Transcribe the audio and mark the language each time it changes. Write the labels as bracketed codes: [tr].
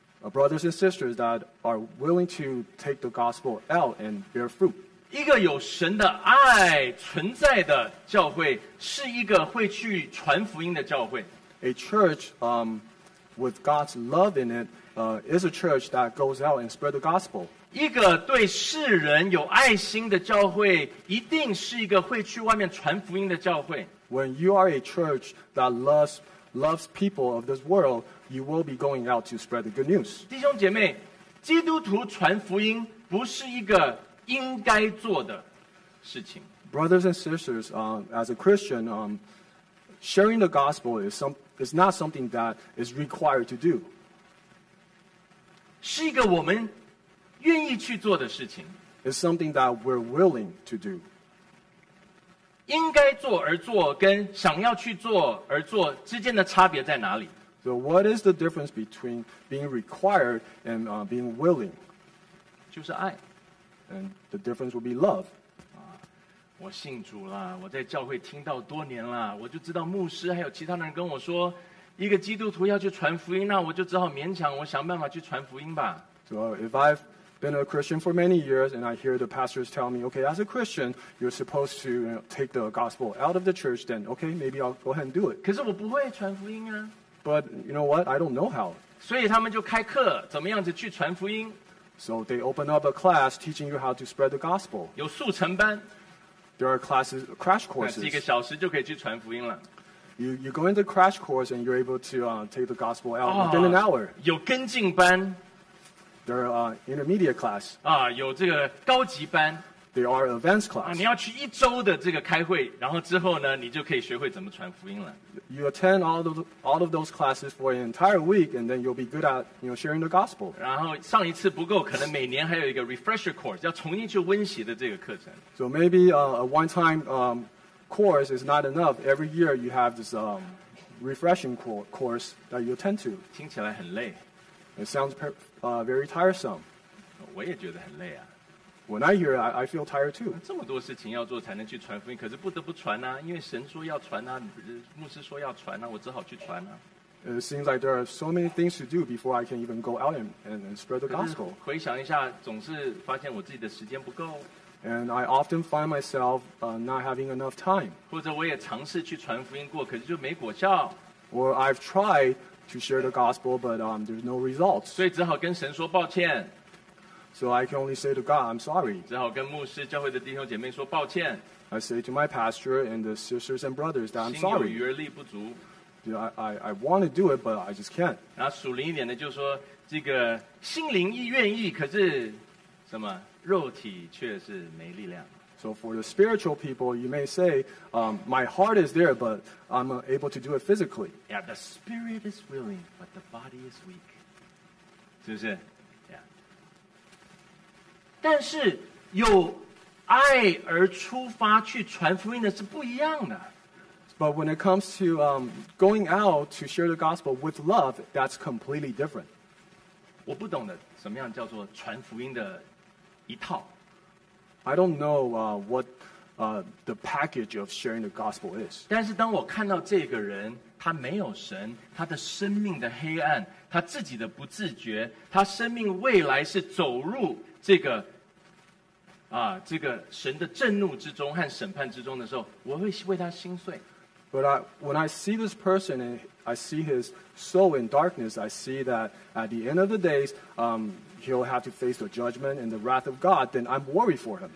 [en] brothers and sisters that are willing to take the gospel out and bear fruit. [zh] 一个有神的爱存在的教会是一个会去传福音的教会。 [en] A church, with God's love in it, is a church that goes out and spread the gospel. [zh] 一个对世人有爱心的教会一定是一个会去外面传福音的教会。 [en] When you are a church that loves people of this world, you will be going out to spread the good news. [zh] 弟兄姐妹，基督徒传福音不是一个应该做的事情。 [en] Brothers and sisters, as a Christian, sharing the gospel is not something that is required to do. [zh] 是一个我们愿意去做的事情。 [en] It's something that we're willing to do. [zh] 应该做而做跟想要去做而做之间的差别在哪里？ [en] So what is the difference between being required and being willing? [zh] 就是爱。 [en] And the difference would be love. [zh] 我信主了，我在教会听到多年了，我就知道牧师还有其他的人跟我说，一个基督徒要去传福音，那我就只好勉强我想办法去传福音吧。 [en] So if I've been a Christian for many years and I hear the pastors tell me, okay, as a Christian, you're supposed to, you know, take the gospel out of the church, then okay, maybe I'll go ahead and do it. [zh] 可是我不会传福音啊。 [en] But you know what? I don't know how. [zh] 所以他们就开课，怎么样子去传福音。 [en] So they open up a class teaching you how to spread the gospel. [zh] 有速成班。 [en] There are classes, crash courses. [zh] 几个小时就可以去传福音了。 [en] You go into crash course and you're able to take the gospel out within an hour. [zh] 有跟进班。 [en] There are intermediate class. [zh] 啊，有这个高级班。 [en] There are advanced class. [zh] 啊，你要去一周的这个开会，然后之后呢，你就可以学会怎么传福音了。 [en] You attend all of those classes for an entire week, and then you'll be good at, you know, sharing the gospel. [zh] 然后上一次不够，可能每年还有一个 [en] refresher course, [zh] 要重新去温习的这个课程。 [en] So maybe a one-time course is not enough. Every year you have this refreshing course that you attend to. [zh] 听起来很累。 [en] It sounds very tiresome. [zh] 我也觉得很累啊。 [en] When I hear it, I feel tired too. [zh] 这么多事情要做才能去传福音，可是不得不传啊，因为神说要传啊，牧师说要传啊，我只好去传啊。 [en] It seems like there are so many things to do before I can even go out and spread the gospel. [zh] 可是回想一下，总是发现我自己的时间不够。 [en] And I often find myself not having enough time. [zh] 或者我也尝试去传福音过，可是就没果效。 [en] Or I've tried. To share the gospel, but there's no results. [zh] 所以只好跟神说抱歉。 [en] So I can only say to God, I'm sorry. [zh] 只好跟牧师、教会的弟兄姐妹说抱歉。 [en] I say to my pastor and the sisters and brothers that I'm sorry. [zh] 心有余而力不足。 [en] I want to do it, but I just can't. [zh] 然后属灵一点的就是说，这个心灵亦愿意，可是什么肉体却是没力量。 [en] So for the spiritual people, you may say, my heart is there, but I'm able to do it physically. Yeah, the spirit is willing, but the body is weak. [zh] 是不是？ [en] Yeah. [zh] 但是有爱而出发去传福音的是不一样的。 [en] But when it comes to going out to share the gospel with love, that's completely different. [zh] 我不懂得什么样叫做传福音的一套。 [en] I don't know what the package of sharing the gospel is. [zh] 但是当我看到这个人，他没有神，他的生命的黑暗，他自己的不自觉，他生命未来是走入这个这个神的震怒之中和审判之中的时候，我会为他心碎。 [en] But when I see this person and I see his soul in darkness, I see that at the end of the days, he'll have to face the judgment and the wrath of God, then I'm worried for him.